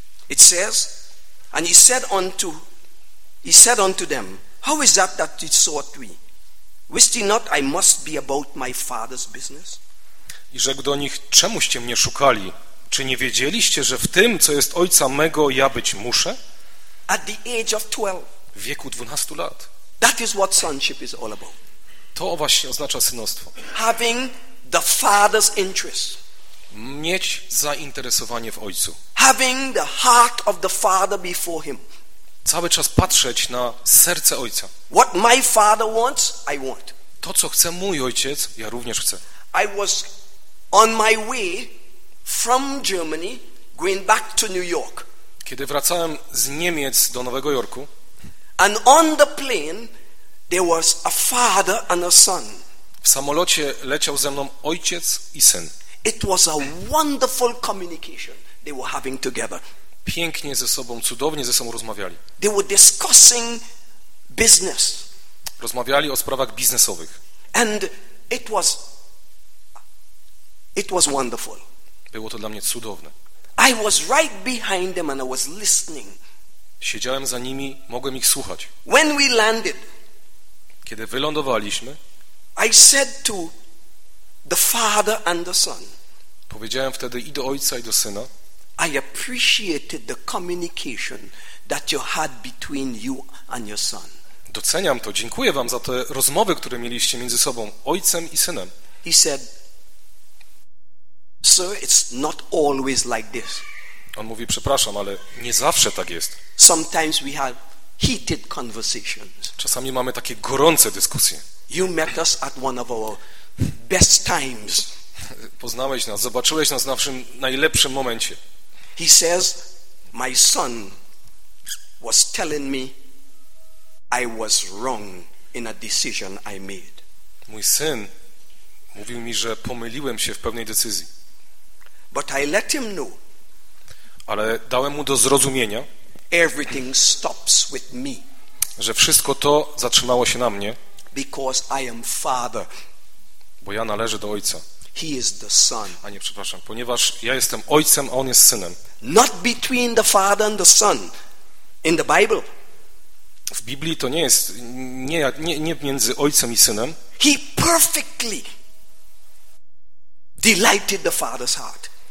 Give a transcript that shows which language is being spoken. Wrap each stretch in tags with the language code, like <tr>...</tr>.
<en>It says, and he said unto them, how is that that ye sought me? Wist ye not I must be about my father's business?</en> <pl>I rzekł do nich, czemuście mnie szukali? Czy nie wiedzieliście, że w tym, co jest ojca mego, ja być muszę?</pl> <en>At the age of 12.</en> <pl>W wieku 12 lat.</pl> <en>That is what sonship is all about.</en> <pl>To właśnie oznacza synostwo.</pl> <en>Having the father's interest.</en> <pl>Mieć zainteresowanie w ojcu.</pl> <en>Having the heart of the father before him.</en> <pl>Cały czas patrzeć na serce ojca.</pl> <en>What my father wants, I want.</en> <pl>To, co chce mój ojciec, ja również chcę.</pl> <en>I was on my way from Germany going back to New York.</en> <pl>Kiedy wracałem z Niemiec do Nowego Jorku.</pl> <en>And on the plane there was a father and a son.</en> <pl>W samolocie leciał ze mną ojciec i syn.</pl> <en>It was a wonderful communication they were having together.</en> <pl>Pięknie ze sobą, cudownie ze sobą rozmawiali.</pl> <en>They were discussing business.</en> <pl>Rozmawiali o sprawach biznesowych.</pl> <en>And it was wonderful.</en> <pl>Było to dla mnie cudowne.</pl> <en>I was right behind them and I was listening.</en> <pl>Siedziałem za nimi, mogłem ich słuchać.</pl> <en>When we landed,</en> <pl>kiedy wylądowaliśmy,</pl> <en>I said to the father and the son,</en> <pl>powiedziałem wtedy i do ojca i do syna,</pl> <en>I appreciated the communication that you had between you and your son.</en> <pl>Doceniam to, dziękuję wam za te rozmowy, które mieliście między sobą, ojcem i synem.</pl> <en>He said, sir, it's not always like this.</en> <pl>On mówi, przepraszam, ale nie zawsze tak jest.</pl> <en>Sometimes we have heated conversations.</en> <pl>Czasami mamy takie gorące dyskusje.</pl> <en>You met us at one of our best times.</en> <pl>Poznałeś nas, zobaczyłeś nas w naszym najlepszym momencie.</pl> <en>He says, my son was telling me I was wrong in a decision I made.</en> <pl>Mój syn mówił mi, że pomyliłem się w pewnej decyzji.</pl> <en>But I let him know.</en> <pl>Ale dałem mu do zrozumienia.</pl> <en>Everything stops with me.</en> <pl>Że wszystko to zatrzymało się na mnie.</pl> <en>Because I am father.</en> <pl>Bo ja należę do ojca.</pl> <en>He is the son.</en> <pl>A nie, przepraszam, ponieważ ja jestem ojcem, a on jest synem.</pl> <en>Not between the father and the son in the Bible.</en> <pl>W Biblii to nie jest nie między ojcem i synem.</pl> <en>He perfectly delighted the father's heart.</en>